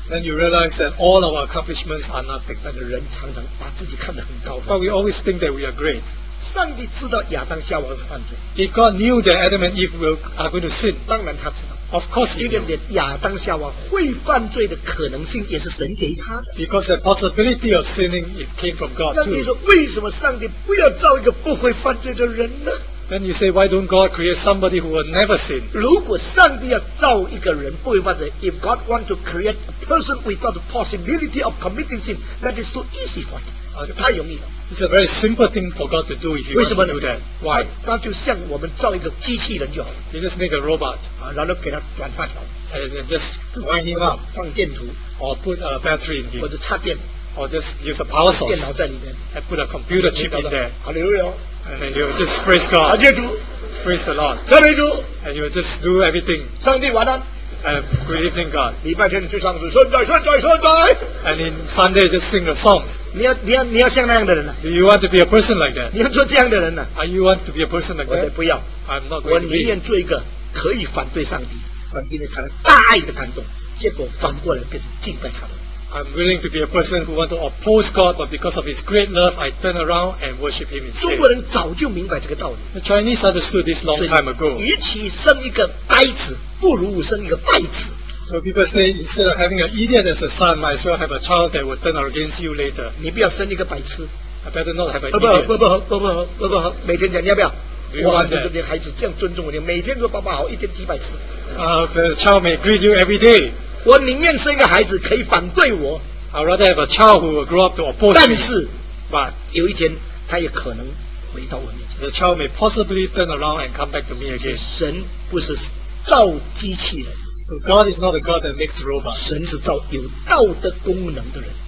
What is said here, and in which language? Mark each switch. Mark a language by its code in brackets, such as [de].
[en] Then you realize that all our accomplishments are nothing. [zh] 但是人常常把自己看得很高。 [en] But we always think that we are great. [zh] 上帝知道亚当夏娃的犯罪。 [en] If God knew that Adam and Eve are going to sin， [zh] 当然他知道。 [en] Of course, he knew. [zh] 因为连亚当夏娃会犯罪的可能性也是神给他的。 [en] Because the possibility of sinning it came from God too. [zh] 那你说为什么上帝不要造一个不会犯罪的人呢 [en] ？Then you say why don't God create somebody who will never sin? [zh] 如果上帝要造一个人不会犯罪 [en] ，If God want to create a person without the possibility of committing sin, that is too easy for him. [zh] 太容易了。 [en] It's a very simple thing for God to do if he wants to do that. Why? [zh] 那就像我们造一个机器人就好。 [en] You just make a robot. [zh] 然后给它转发条。 [en] And just wind him up. [zh] 放电图。 [en] Or put a battery in him. [zh] 或者插电。 [en] Or just use a power source. [zh] 电脑在里面。 [en] And put a computer chip in there. Hallelujah. And then you just praise God. [zh] 阿弥陀。 [en] Praise the Lord. [zh] 阿弥陀。 [en] And you just do everything. [zh] 上帝晚安。 [en] Good evening, God. [zh] 礼拜天去唱诗，顺带顺带顺带。 [en] And in Sunday, just sing the songs. [zh] 你要像那样的人呢、啊、 [en] ？Do you want to be a person like that? [zh] 你要做这样的人呢、啊、 [en] ？Are you want to be a person like that? [zh] 我不要。 [en] I'm not going to be. [zh] 我宁愿做一个可以反对上帝，反对他的大爱的感动，结果反过来变成敬拜他的。 [en] I'm willing to be a person who want to oppose God, but because of His great love, I turn around and worship Him instead. [zh] 中国人早就明白这个道理。 [en] The Chinese understood this long time ago. [zh] 与其生一个呆子，不如生一个败子。 [en] So people say, instead of having an idiot as a son, might as well have a child that will turn against you later. [zh] 你不要生一个白痴。 [en] I better not have an idiot. [zh] 不不不不不不不，每天讲你要不要？ [en] Do you want that? [zh] 你的孩子这样尊重我，你每天都爸爸好，一天几百次。 [en] The child may greet you every day. [zh] 我宁愿生一个孩子可以反对我。 [en] I'd rather have a child who will grow up to oppose me. [zh] 但是， [en] but [zh] 有一天他也可能回到我面前。 [en] The child may possibly turn around and come back to me again. [zh] 神不是造机器人。 [en] So God is not a God that makes robots. [zh] 神是造有道德功能的人。